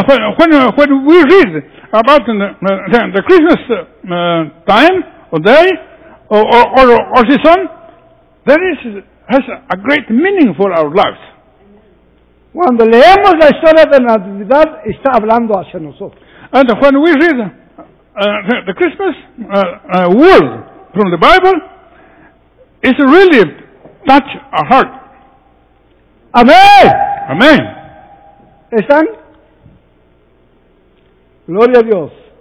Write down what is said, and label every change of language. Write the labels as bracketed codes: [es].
[en] And when we read about the Christmas time or day or season, there has a great meaning for our lives. [es] Cuando leemos la historia de la Navidad, está hablando hacia nosotros. [en] And when we read the Christmas word from the Bible, it really touch our heart. [es] Amén. Amén. ¿Están? Gloria a Dios.